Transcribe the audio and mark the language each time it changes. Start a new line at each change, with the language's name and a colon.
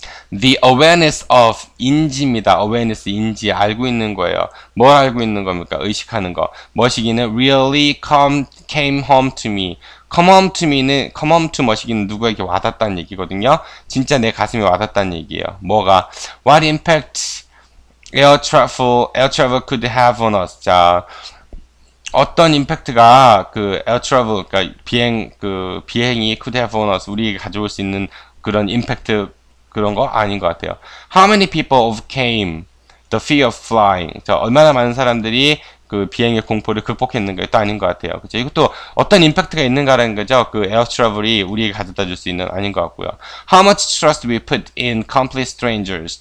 English: The awareness of
Korean: 인지입니다. Awareness 인지 알고 있는 거예요. 뭘 알고 있는 겁니까? 의식하는 거. 머시기는
English: really came home to me. Come home to
Korean: 머시기는 누구에게 와닿다는 얘기거든요. 진짜 내 가슴이 와닿다는 얘기예요. 뭐가?
English: What impact air travel could have on us?
Korean: 자, 어떤 임팩트가 그 air travel 그러니까 비행이
English: could have on us
Korean: 우리에게 가져올 수 있는 그런 임팩트 그런 거 아닌 것 같아요.
English: How many people overcame the fear of flying?
Korean: 자, 얼마나 많은 사람들이 그 비행의 공포를 극복했는가? 또 아닌 것 같아요. 그쵸? 이것도 어떤 임팩트가 있는가라는 거죠. 그 에어 트러블이 우리에게 가져다 줄수 있는 아닌 것 같고요.
English: How much trust we put in complete strangers?